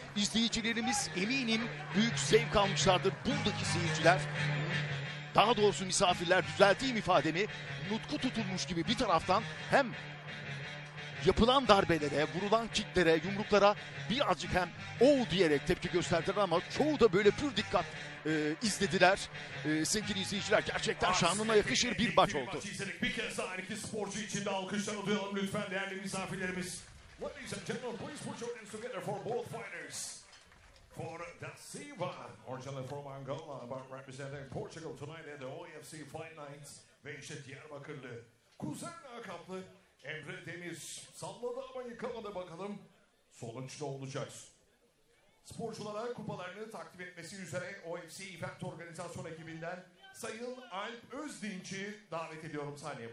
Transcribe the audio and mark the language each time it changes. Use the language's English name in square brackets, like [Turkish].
[Turkish] İzleyicilerimiz eminim büyük zevk almışlardır. Buradaki seyirciler, daha doğrusu misafirler, düzelttiğim ifademi, nutku tutulmuş gibi bir taraftan hem yapılan darbelere, vurulan kicklere, yumruklara birazcık hem oh diyerek tepki gösterdiler ama çoğu da böyle pür dikkat izlediler. Sevgili izleyiciler, gerçekten şanına yakışır bir maç oldu. Bir kez daha iki sporcu için de alkışlarını duyalım lütfen değerli misafirlerimiz. [English] Ladies and gentlemen, please put your hands together for both fighters. For Da Silva, originally from Angola, but representing Portugal tonight at the OFC Fight Nights. [Turkish] Ve işte Diyarbakırlı, Kuzen Akaplı, Emre Demir salladı ama yıkamadı, bakalım sonuç ne olacak. Sporculara kupalarını takdim etmesi üzere OFC Event Organizasyon ekibinden Sayın Alp Özdinç'i davet ediyorum sahneye.